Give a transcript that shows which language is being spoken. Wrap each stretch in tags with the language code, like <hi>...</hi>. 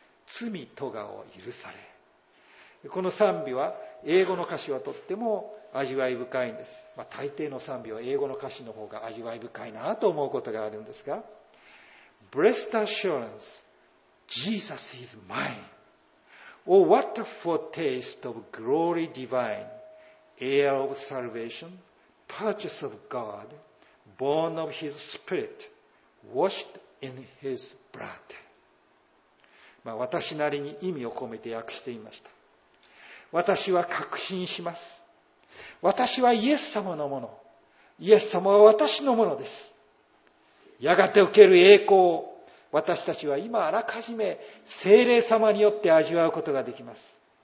<ja>罪とがを許され、この賛美は英語の歌詞はとっても味わい深いんです。まあ、大抵の賛美は英語の歌詞の方が味わい深いなと思うことがあるんですが、</ja> <en>Blessed assurance, Jesus is mine. Oh, what a foretaste of glory divine, Heir of salvation, Purchase of God, Born of his spirit, Washed in his blood.</en> <ja>まあ、私なりに意味を込めて訳してみました。私は確信します。私はイエス様のもの、イエス様は私のものです。やがて受ける栄光を私たちは今あらかじめ聖霊様によって味わうことができます。</ja>